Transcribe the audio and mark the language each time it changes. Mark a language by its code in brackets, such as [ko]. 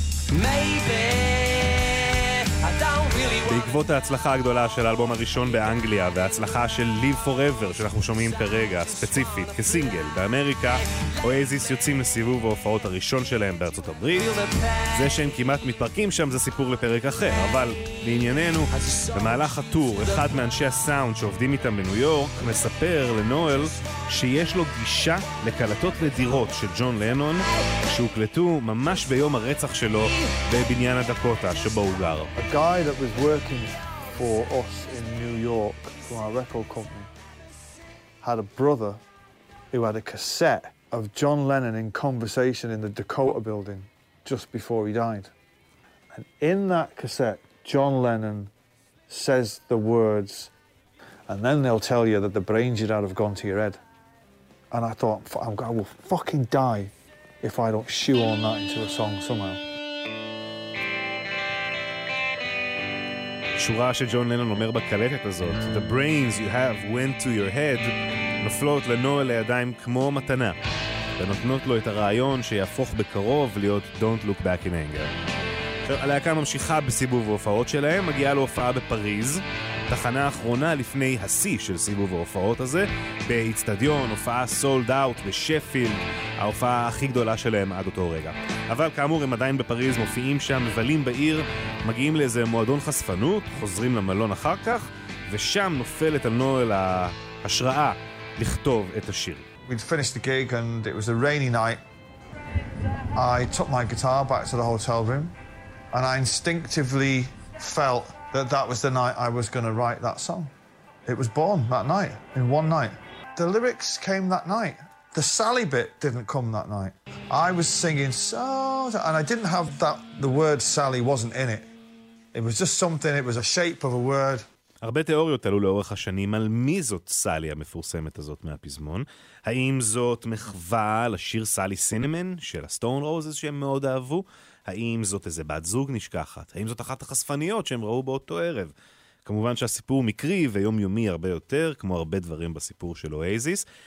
[en] Maybe I don't really want [he] בעקבות ההצלחה הגדולה של האלבום הראשון באנגליה וההצלחה של Live Forever שאנחנו שומעים כרגע ספציפית כסינגל באמריקה, אואזיס יוצאים לסיבוב ההופעות הראשון שלהם בארצות הברית. זה שהם כמעט מתפרקים שם זה סיפור לפרק אחר, אבל לענייננו, במהלך הטור אחד מאנשי הסאונד שעובדים איתם בניו יורק מספר לנואל שיש לו גישה לקלטות נדירות של ג'ון לנון שהוקלטו ממש ביום הרצח שלו בבניין הדקוטה שבו הוא גר. [en] guy that was working for us in New York for our record company had a brother who had a cassette of John Lennon in conversation in the Dakota building just before he died. And in that cassette, John Lennon says the words, and then they'll tell you that the brains you'd had have gone to your head. And I thought, I will fucking die if I don't shoehorn that into a song somehow. [he] שורה שג'ון לנון אומר בקלטת הזאת, [en] The brains you have went to your head, [he] נופלות לנואל לידיים כמו מתנה, ונותנות לו את הרעיון שיהפוך בקרוב להיות Don't Look Back in Anger. עכשיו, הלהקה ממשיכה בסיבוב ההופעות שלהם, מגיעה להופעה בפריז, תחנה האחרונה לפני השיא של סיבוב ההופעות הזה, באצטדיון, הופעה Sold Out בשפילד, ההופעה הכי גדולה שלהם עד אותו רגע. אבל כאמור, הם עדיין בפריז, מופיעים שם, מבלים בעיר, מגיעים לאיזה מועדון חשפנות, חוזרים למלון אחר כך, ושם נופלת על נואל ההשראה לכתוב את השיר. [en] We'd finished the gig and it was a rainy night. I took my guitar back to the hotel room and I instinctively felt that that was the night I was going to write that song. It was born that night, in one night. The lyrics came that night. The Sally bit didn't come that night. I was singing so... And I didn't have that... The word Sally wasn't in it. It was just something, it was a shape of a word. [he] הרבה תיאוריות עלו לאורך השנים על מי זאת סאלי המפורסמת הזאת מהפזמון. האם זאת מחווה לשיר סאלי סינמן של הסטון רוזס שהם מאוד אהבו? האם זאת איזה בת זוג נשכחת? האם זאת אחת החשפניות שהם ראו באותו ערב? כמובן שהסיפור מקרי ויומיומי הרבה יותר, כמו הרבה דברים בסיפור של אואזיס.